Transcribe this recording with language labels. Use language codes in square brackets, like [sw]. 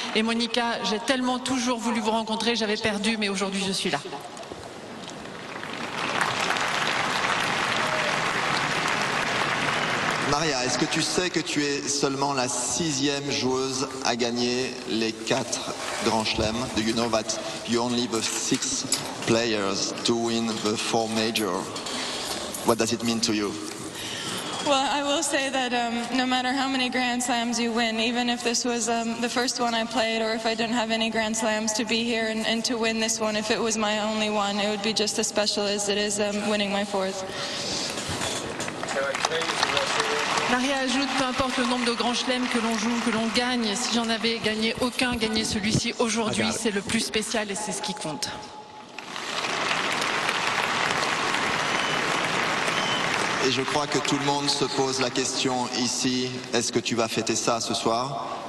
[fr] Et Monica, j'ai tellement toujours voulu vous rencontrer. J'avais perdu, mais aujourd'hui, je suis là. Maria, est-ce que tu sais que tu es seulement la 6e joueuse à gagner les 4 Grand Chelem? [en] Do you know that you're only the 6th player to win the 4 major? What does it mean to you? Well, I will say that no matter how many Grand Slams you win, even if this was the first one I played or if I didn't have any Grand Slams, to be here and to win this one, if it was my only one, it would be just as special as it is winning my 4th. [fr] Maria ajoute, peu importe le nombre de grands chelems que l'on joue, que l'on gagne, si j'en avais gagné aucun, gagner celui-ci aujourd'hui, c'est le plus spécial et c'est ce qui compte. Et je crois que tout le monde se pose la question ici, est-ce que tu vas fêter ça ce soir?